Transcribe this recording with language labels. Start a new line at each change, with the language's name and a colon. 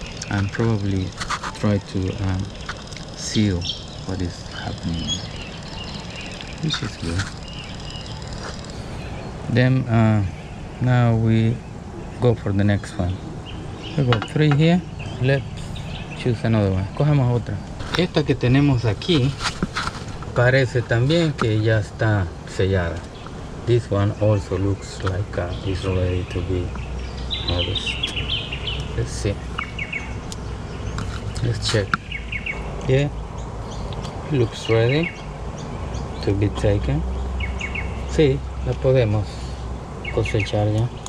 English: And probably try to seal what is happening. Which is good. Then now we go for the next one. We got three here. Let's choose another one.
Spanish: Cogemos otra. Esta que tenemos aquí parece también que ya está sellada.
English: This one also looks like it's ready to be harvested. Let's see. Let's check. Yeah. It looks ready to be taken.
Spanish: Sí, la podemos cosechar ya.